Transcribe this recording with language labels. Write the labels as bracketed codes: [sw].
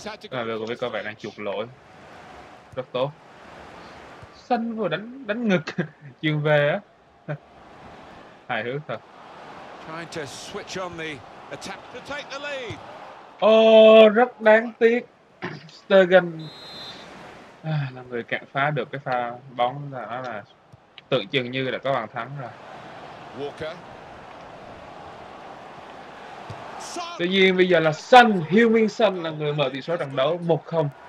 [vi] Begovic có vẻ đang chuộc lỗi. Rất tốt. Xanh vừa đánh đánh ngực chuyền về á. Hài hước thật. [en] Trying to switch on the attack to take the lead. [vi] Oh, rất đáng tiếc. Stegen là người cản phá được cái pha bóng là nó là tượng trưng như là có bàn thắng rồi. Walker. Tuy nhiên bây giờ là Sun, Heung-min Sun là người mở tỷ số trận đấu 1-0.